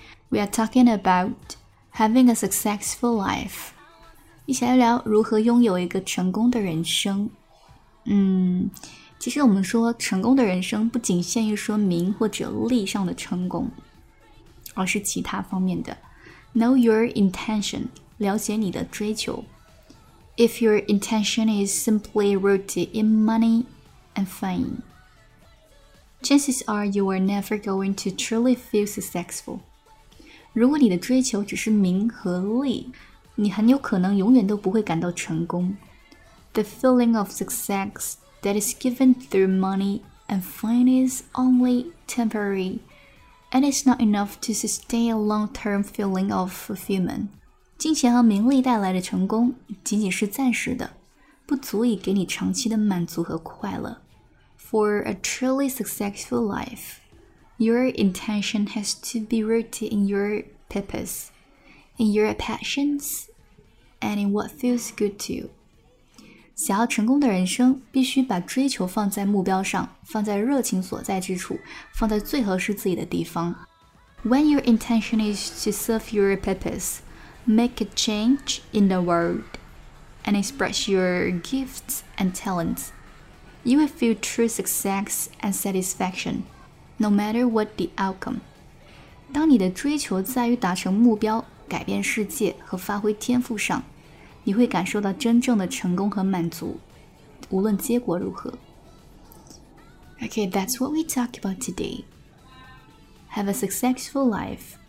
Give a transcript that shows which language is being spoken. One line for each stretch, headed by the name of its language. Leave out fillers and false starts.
English: We are talking about having a successful life，
Chinese: 一起来聊如何拥有一个成功的人生。其实我们说成功的人生不仅限于说名或者利上的成功，而是其他方面的。
English: Know your intention，
Chinese: 了解你的追求。
English: If your intention is simply rooted in money and fame, chances are you are never going to truly feel successful.
Chinese: 如果你的追求只是名和利，你很有可能永远都不会感到成功。
English: The feeling of success that is given through money and fame is only temporary, and it's not enough to sustain a long-term feeling of fulfillment.
Chinese: 金钱和名利带来的成功仅仅是暂时的，不足以给你长期的满足和快乐。
English: For a truly successful life, your intention has to be rooted in your purpose, in your passions, and in what feels good to you.
Chinese: 想要成功的人生，必须把追求放在目标上，放在热情所在之处，放在最合适自己的地方。
English: When your intention is to serve your purpose,Make a change in the world and express your gifts and talents. You will feel true success and satisfaction, no matter what the outcome.
Chinese: 当你的追求在于达成目标、改变世界和发挥天赋上，你会感受到真正的成功和满足，无论结果如何。
English: Okay, that's what we talk about today. Have a successful life.